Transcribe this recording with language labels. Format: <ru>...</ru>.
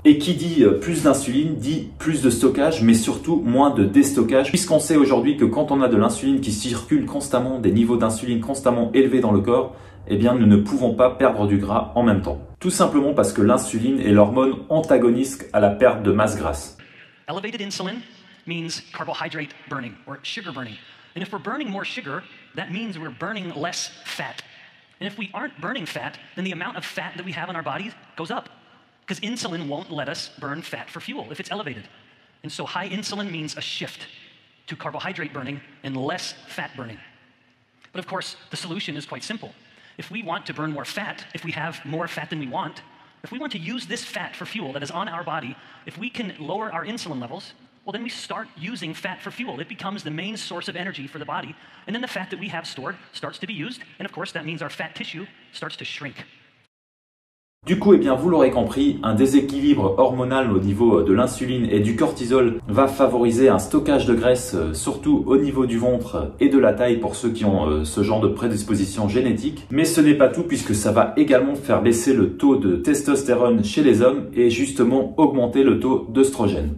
<fr>Et qui dit plus d'insuline dit plus de stockage, mais surtout moins de déstockage, puisqu'on sait aujourd'hui que quand on a de l'insuline qui circule constamment, des niveaux d'insuline constamment élevés dans le corps, eh bien nous ne pouvons pas perdre du gras en même temps. Tout simplement parce que l'insuline est l'hormone antagoniste à la perte de masse grasse.</fr> <en>Elevated insulin means carbohydrate burning or sugar burning. And if we're burning more sugar, that means we're burning less fat. And if we aren't burning fat, then the amount of fat that we have in our bodies goes up. Because insulin won't let us burn fat for fuel if it's elevated. And so high insulin means a shift to carbohydrate burning and less fat burning. But of course, the solution is quite simple. If we want to burn more fat, if we have more fat than we want, if we want to use this fat for fuel that is on our body, if we can lower our insulin levels, well then we start using fat for fuel. It becomes the main source of energy for the body, and then the fat that we have stored starts to be used, and of course that means our fat tissue starts to shrink.</en> <fr>Du coup, eh bien, vous l'aurez compris, un déséquilibre hormonal au niveau de l'insuline et du cortisol va favoriser un stockage de graisse, surtout au niveau du ventre et de la taille pour ceux qui ont ce genre de prédisposition génétique. Mais ce n'est pas tout puisque ça va également faire baisser le taux de testostérone chez les hommes et justement augmenter le taux d'œstrogène.</fr>